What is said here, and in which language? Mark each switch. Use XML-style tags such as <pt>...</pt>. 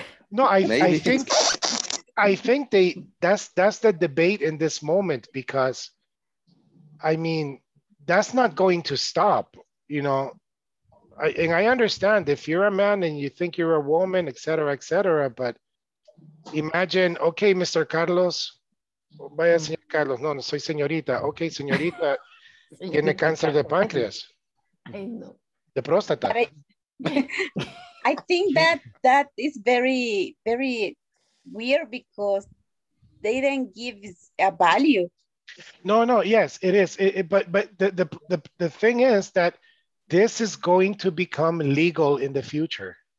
<en>No, I think they that's the debate in this moment because I mean that's not going to stop, you know. I understand if you're a man and you think you're a woman, et cetera, but imagine, okay, Mr.</en> <es>Carlos, vaya señor Carlos, no, soy señorita,</es> <en>okay,</en> <es>señorita, tiene cáncer de páncreas.</es> <en>I know.</en> <es>De próstata.</es> <en>I think that is very, very weird because they didn't give a value. No, yes, it is, but the thing is that this is going to become legal in the future.</en>